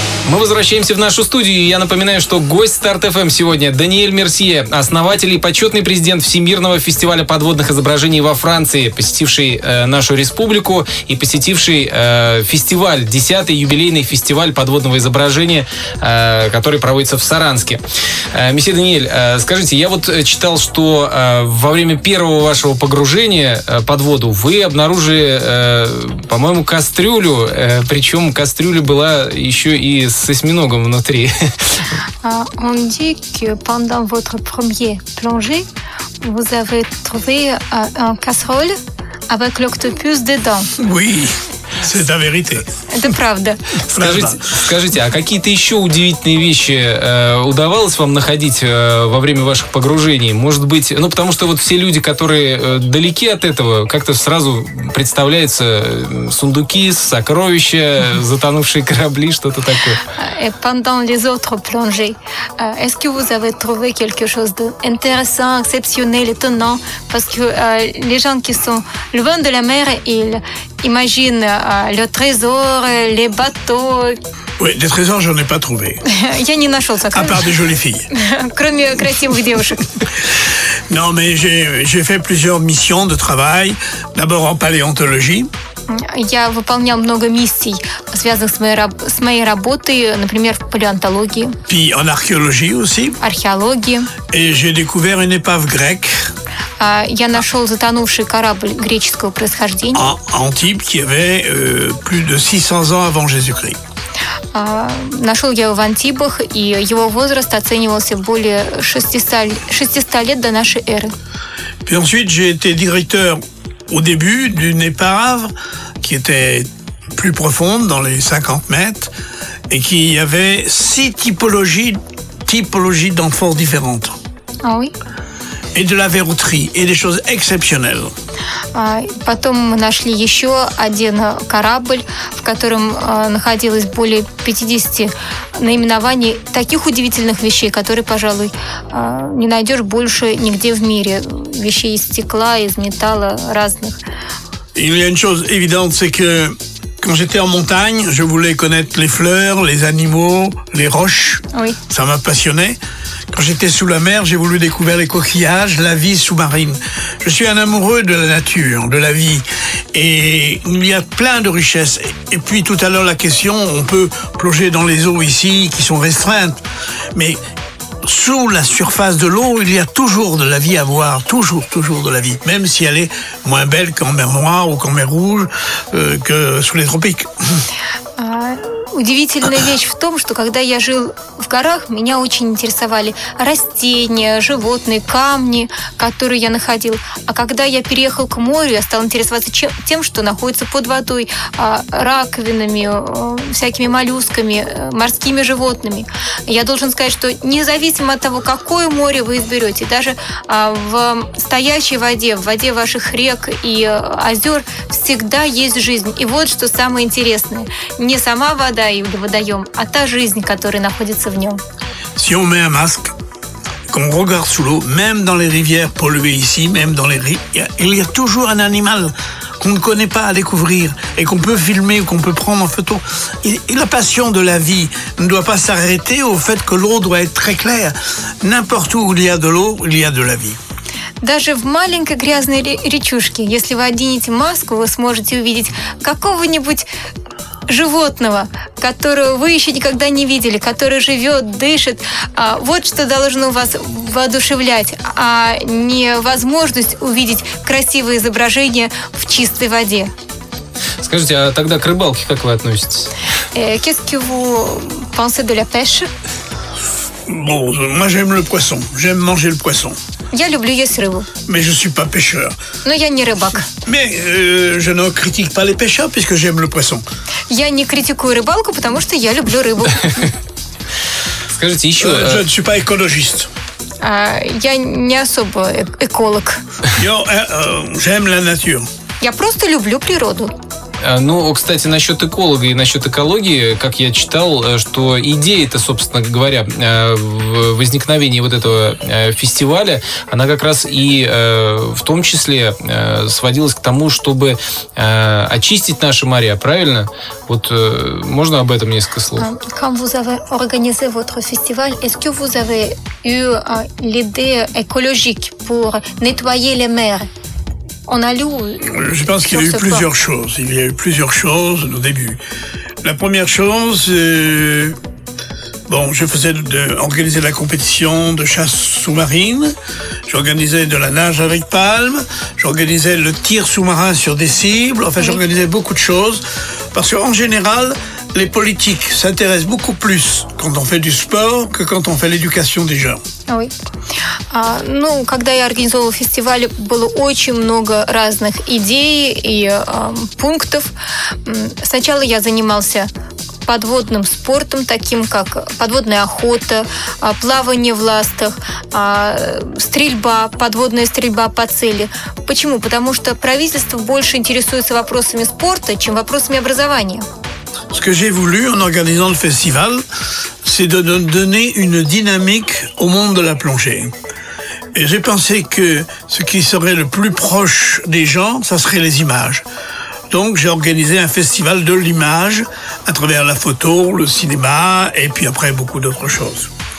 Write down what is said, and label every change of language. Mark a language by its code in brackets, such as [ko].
[ru] Мы возвращаемся в нашу студию. Я напоминаю, что гость Start.fm сегодня Даниэль Мерсье, основатель и почетный президент Всемирного фестиваля подводных изображений во Франции, посетивший нашу республику и посетивший фестиваль, 10-й юбилейный фестиваль подводного изображения, который проводится в Саранске. Месье Даниэль, скажите, я вот читал, что во время первого вашего погружения под воду вы обнаружили, по-моему, кастрюлю, причем кастрюля была еще и с осьминогом внутри. [fr] On dit que pendant votre premier plongée, vous avez trouvé un casserole avec l'octopus dedans. Oui, c'est la vérité. [ru] Это правда. Скажите, а какие-то еще удивительные вещи удавалось вам находить во время ваших погружений? Может быть, ну потому что вот все люди, которые далеки от этого, как-то сразу представляются сундуки, сокровища, затонувшие корабли, что-то такое. [fr] Et pendant les autres plongées, est-ce que vous avez trouvé quelque chose d'intéressant, exceptionnel, étonnant? Parce que les gens qui sont loin de la mer, ils imaginent le trésor, les bateaux. Oui, des trésors, je n'en ai pas trouvé. [ru] Я не нашел [fr] ça. À part des jolies filles. [ru] Кроме красивых девушек. [fr] Non, mais j'ai fait plusieurs missions de travail. D'abord en paléontologie. [ru] Я выполнял много миссий, связанных с моей работой, например, в палеонтологии. [fr] Puis en archéologie aussi. [ru] Археологии. [fr] Et j'ai découvert une épave grecque. [ru] Я нашел затонувший корабль греческого происхождения. [fr] Antibes, qui avait plus de 600 ans avant Jésus-Christ. [ru] Нашел я его в Антибах, и его возраст оценивался более 600 лет до нашей эры. [fr] Puis ensuite, j'ai été directeur au début d'une épave qui était plus profonde, dans les 50 mètres, et qui avait 6 typologies d'amphores différentes. Ah oui. Et de la verroterie, et des choses exceptionnelles. [ru] Потом мы нашли еще один корабль, в котором находилось более 50 наименований таких удивительных вещей, которые, пожалуй, не найдешь больше нигде в мире. Вещей из стекла, из металла, разных. [fr] Il y a une chose évidente, c'est que quand j'étais en montagne, je voulais connaître les fleurs, les animaux, les roches. Oui. Ça m'a passionné. Quand j'étais sous la mer, j'ai voulu découvrir les coquillages, la vie sous-marine. Je suis un amoureux de la nature, de la vie. Et il y a plein de richesses. Et puis tout à l'heure, la question, on peut plonger dans les eaux ici qui sont restreintes. Mais sous la surface de l'eau, il y a toujours de la vie à voir. Toujours, toujours de la vie. Même si elle est moins belle qu'en mer Noire ou qu'en mer Rouge, que sous les tropiques. [ru] Удивительная вещь в том, что когда я жил в горах, меня очень интересовали растения, животные, камни, которые я находил. А когда я переехал к морю, я стал интересоваться тем, что находится под водой, раковинами, всякими моллюсками, морскими животными. Я должен сказать, что независимо от того, какое море вы изберете, даже в стоящей воде, в воде ваших рек и озер, всегда есть жизнь. И вот что самое интересное. Не сама вода, или водоем, а та жизнь, которая находится в нем. [fr] Si on met un masque, qu'on regarde sous l'eau, même dans les rivières polluées ici, même dans les rivières, il y a toujours un animal qu'on ne connaît pas à découvrir et qu'on peut filmer ou qu'on peut prendre en photo. Et la passion de la vie ne doit pas s'arrêter au fait que l'eau doit être très claire. N'importe où il y a de l'eau, il y a de la vie. [ru] Даже в маленькой грязной речушке, если вы оденете маску, вы сможете увидеть какого-нибудь животного, которого вы еще никогда не видели, который живет, дышит. Вот что должно вас воодушевлять, а не возможность увидеть красивое изображение в чистой воде. Скажите, а тогда к рыбалке как вы относитесь? [fr] Qu'est-ce que vous pensez de la pêche? Bon, moi j'aime le poisson, j'aime manger le poisson. [ru] Я люблю есть рыбу. [fr] Mais je suis pas pêcheur. [ru] Но я не рыбак. [fr] Mais je ne critique pas les pêcheurs puisque j'aime le poisson. [ru] Я не критикую рыбалку, потому что я люблю рыбу. Скажите еще. [fr] Je ne suis pas écologiste. [ru] Я не особо эколог. [fr] J'aime la nature. [ru] Я просто люблю природу. Ну, кстати, насчет эколога и насчет экологии, как я читал, что идея-то, собственно говоря, возникновения вот этого фестиваля, она как раз и в том числе сводилась к тому, чтобы очистить наши моря, правильно? Вот можно об этом несколько слов? [fr] Quand vous avez organisé votre festival, est-ce que vous avez eu l'idée écologique pour nettoyer les mers? On a lu. Je pense qu'il y a eu plusieurs choses. Il y a eu plusieurs choses au début. La première chose, je faisais organiser la compétition de chasse sous-marine. J'organisais de la nage avec palme. J'organisais le tir sous-marin sur des cibles. Enfin, j'organisais beaucoup de choses parce qu'en général, les politiques s'intéressent beaucoup plus quand on fait du sport que quand on fait l'éducation des jeunes. Oui. [ru] Ну, когда я организовывала фестиваль, было очень много разных идей и пунктов. Сначала я занимался подводным спортом, таким как подводная охота, плавание в ластах, стрельба, подводная стрельба по цели. Почему? Потому что правительство больше интересуется вопросами спорта, чем вопросами образования. [fr] Ce que j'ai voulu en organisant le festival, c'est de donner une dynamique au monde de la plongée. Et j'ai pensé que ce qui serait le plus proche des gens, ça serait les images. Donc j'ai organisé un festival de l'image à travers la photo, le cinéma et puis après beaucoup d'autres choses.